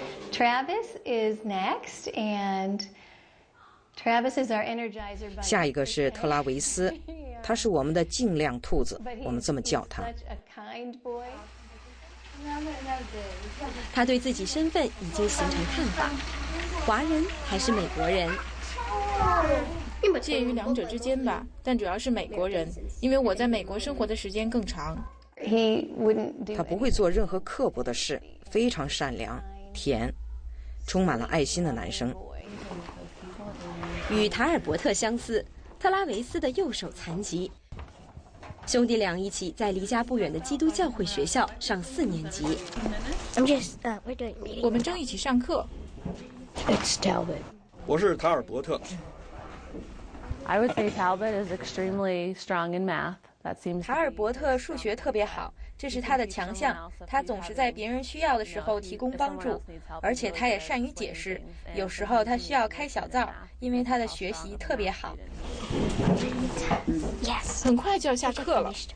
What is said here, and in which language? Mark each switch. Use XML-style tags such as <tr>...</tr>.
<en>Travis is next, and Travis is our energizer.</en> <zh>下一个是特拉维斯，他是我们的尽量兔子，我们这么叫他。他对自己身份已经形成看法，华人还是美国人？介于两者之间吧，但主要是美国人，因为我在美国生活的时间更长。他不会做任何刻薄的事，非常善良、甜、充满了爱心的男生。与塔尔伯特相似，特拉维斯的右手残疾。兄弟俩一起在离家不远的基督教会学校上四年级。我们正一起上课。</zh> <en>It's Talbot.</en> <zh>我是塔尔伯特。</zh> <en>I would say Talbot is extremely strong in math. That seems.</en> <zh>塔尔伯特数学特别好，这是他的强项。他总是在别人需要的时候提供帮助，而且他也善于解释。有时候他需要开小灶，因为他的学习特别好。 Yes. 很快就要下课了。</zh>